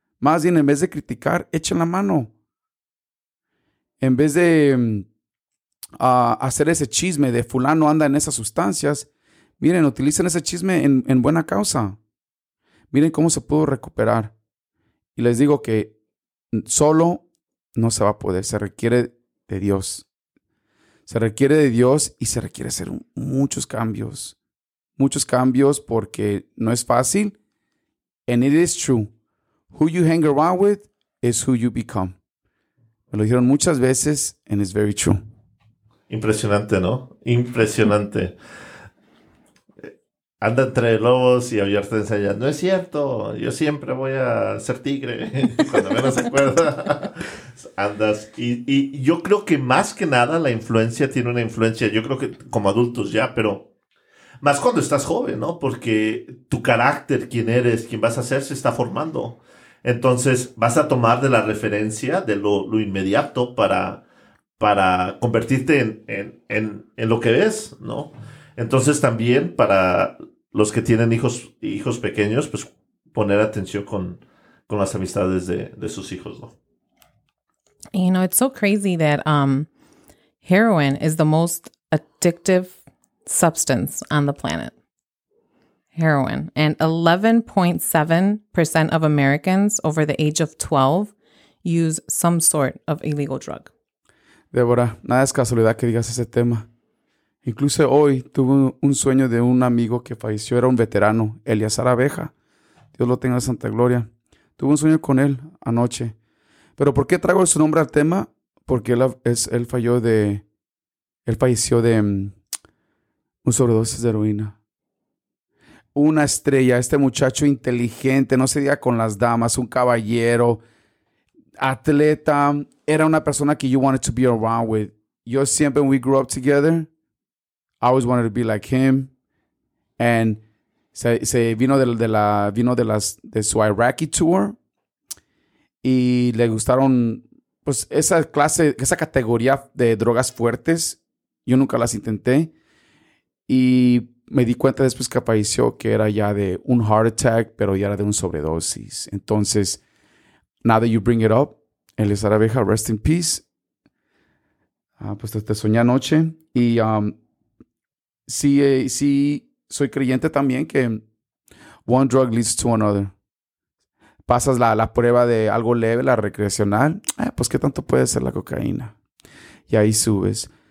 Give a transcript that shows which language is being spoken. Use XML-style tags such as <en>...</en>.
<es>Más bien, en vez de criticar, echen la mano. En vez de hacer ese chisme de fulano anda en esas sustancias, miren, utilicen ese chisme en buena causa. Miren cómo se pudo recuperar. Y les digo que solo no se va a poder, se requiere de Dios. Se requiere de Dios y se requiere hacer muchos cambios. Muchos cambios porque no es fácil.</es> <en>And it is true. Who you hang around with is who you become.</en> <es>Me lo dijeron muchas veces</es> <en>and it's very true.</en> <es>Impresionante, ¿no? Impresionante. Anda entre lobos y a Villar te enseña. No es cierto. Yo siempre voy a ser tigre. Cuando menos se acuerda. Andas. Y yo creo que más que nada la influencia tiene una influencia. Yo creo que como adultos ya, pero más cuando estás joven, ¿no? Porque tu carácter, quién eres, quién vas a ser, se está formando. Entonces, vas a tomar de la referencia, de lo inmediato, para convertirte en lo que ves, ¿no? Entonces, también para los que tienen hijos pequeños, pues poner atención con las amistades de sus hijos, ¿no?</es> <en>You know, it's so crazy that heroin is the most addictive substance on the planet. Heroin. And 11.7% of Americans over the age of 12 use some sort of illegal drug.</en> <es>Débora, nada es casualidad que digas ese tema. Incluso hoy tuve un sueño de un amigo que falleció, era un veterano, Eliazar Abeja. Dios lo tenga en Santa Gloria. Tuve un sueño con él anoche. Pero ¿por qué traigo su nombre al tema? Porque él falleció de un sobredosis de heroína. una estrella, este muchacho inteligente, no se diga con las damas, un caballero, atleta, era una persona que</es> <en>you wanted to be around with.</en> <es>Yo siempre,</es> <en>when we grew up together, I always wanted to be like him.</en> <es>And se vino de su Iraqi tour y le gustaron pues esa clase, esa categoría de drogas fuertes. Yo nunca las intenté y me di cuenta después que apareció que era ya de un heart attack, pero ya era de un sobredosis.</es> <en>Entonces, now that you bring it up, Elizar Abeja, rest in peace.</en> <es>Pues te soñé anoche. Y sí, soy creyente también que</es> <en>one drug leads to another.</en> <es>Pasas la prueba de algo leve, la recreacional. Pues, ¿qué tanto puede ser la cocaína? Y ahí subes.</es>